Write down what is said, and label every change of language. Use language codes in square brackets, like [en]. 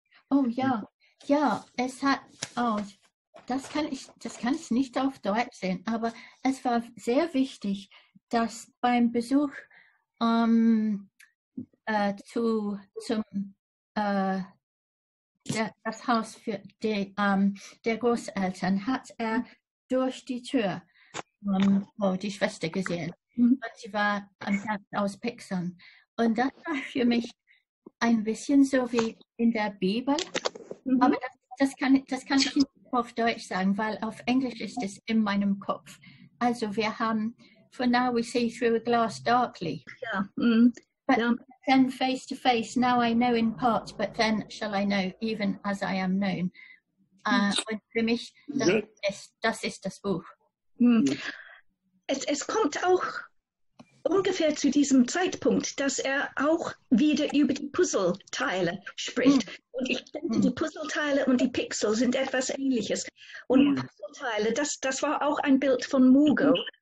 [de] Oh ja, ja, es hat, oh, das kann ich nicht auf Deutsch sehen, aber es war sehr wichtig, dass beim Besuch das Haus für die der Großeltern hat er durch die Tür die Schwester gesehen. Und sie war am Herzen aus Pixeln. Und das war für mich ein bisschen so wie in der Bibel, aber das kann ich nicht auf Deutsch sagen, weil auf Englisch ist es in meinem Kopf. Also wir haben, [en] for now we see through a glass darkly, then face to face, now I know in part, but then shall I know even as I am known. [de] Und für mich, das ist das Buch. Es kommt auch ungefähr zu diesem Zeitpunkt, dass er auch wieder über die Puzzleteile spricht. Und ich denke, die Puzzleteile und die Pixel sind etwas Ähnliches. Und Puzzleteile, das war auch ein Bild von Mugo.